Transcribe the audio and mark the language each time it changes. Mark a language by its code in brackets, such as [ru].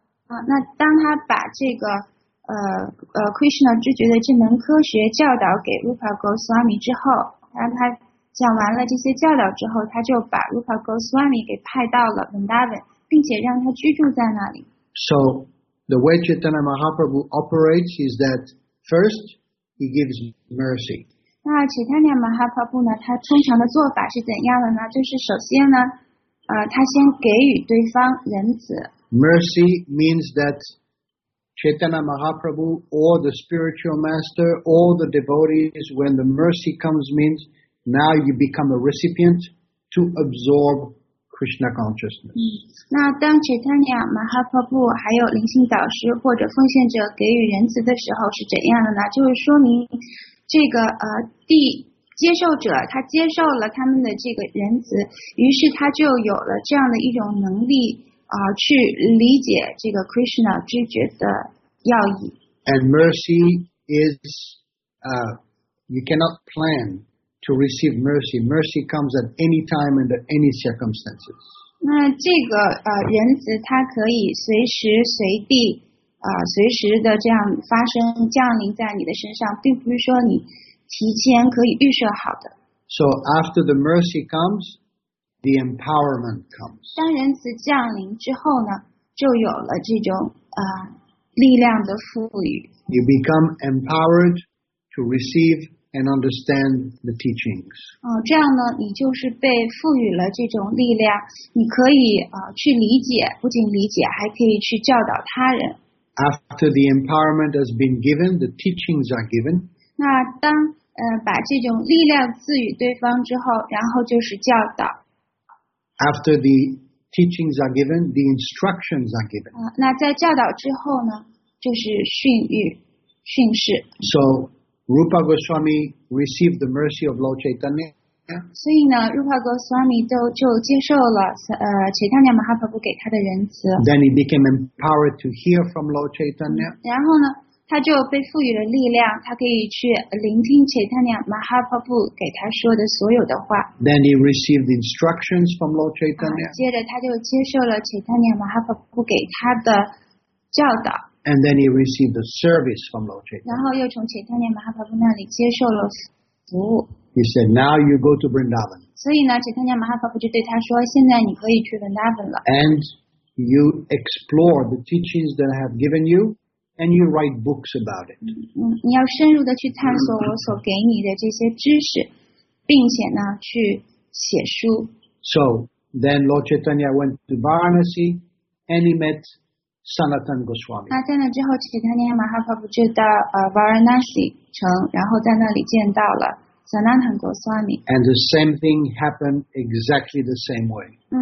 [zh] 那当他把这个Krishna 知觉的这门科学教导给 Rupa Goswami 之后，当他讲完了这些教导之后，他就把 Rupa Goswami 给派到了 Vrindavan， 并且让他居住在那里。 [en] So the way Chaitanya Mahaprabhu operates is that first he gives mercy. [zh] 那 Chaitanya Mahaprabhu 呢，他通常的做法是怎样的呢？就是首先呢，他先给予对方仁慈。 [en] Mercy means that Chaitanya Mahaprabhu or the spiritual master or the devotees, when the mercy comes, means now you become a recipient to absorb Krishna consciousness. [zh] 那当 Chaitanya Mahaprabhu 还有灵性导师或者奉献者给予仁慈的时候是怎样的呢？就是说明这个接受者他接受了他们的这个仁慈，于是他就有了这样的一种能力去理解这个 Krishna 知觉的要义。 [en] And mercy is you cannot plan to receive mercy. Mercy comes at any time under any circumstances. [zh] 那这个仁慈它可以随时随地随时的这样发生降临在你的身上，并不是说你提前可以预设好的。 [en] So after the mercy comes, the empowerment comes. [zh] 当仁慈降临之后呢，就有了这种力量的赋予。 [en] You become empowered to receive and understand the teachings. [zh] 这样呢，你就是被赋予了这种力量，你可以去理解，不仅理解，还可以去教导他人。 [en] After the empowerment has been given, the teachings are given. [zh] 那当把这种力量赐予对方之后，然后就是教导。 [en] After the teachings are given, the instructions are given. [zh] 那在教导之后呢，就是训谕、训示。 [en] So Rupa Goswami received the mercy of Lord Chaitanya. [zh] 所以呢 ，Rupa Goswami 就接受了Chaitanya Mahaprabhu 给他的仁慈。 [en] Then he became empowered to hear from Lord Chaitanya. [zh] 然后呢，他就被赋予了力量，他可以去聆听且他娘马哈帕布给他说的所有的话。 [en] Then he received instructions from Lord Chaitanya. [zh] 接着他就接受了且他娘马哈帕布给他的教导。 [en] And then he received the service from Lord Chaitanya. [zh] 然后又从且他娘马哈帕布那里接受了服务。 [en] He said, "Now you go to Vrindavan." [zh] 所以呢，且他娘马哈帕布就对他说，现在你可以去 Vrindavan 了。 [en] And you explore the teachings that I have given you. And you write books about it. [zh] 你要深入的去探索我所给你的这些知识，并且呢去写书。 [en] So then Lord Chaitanya went to Varanasi and he met Sanatan Goswami. [zh] 那在那之后，齐达尼亚马哈帕布就到Varanasi 城，然后在那里见到了 Sanatan Goswami. [en] And the same thing happened exactly the same way.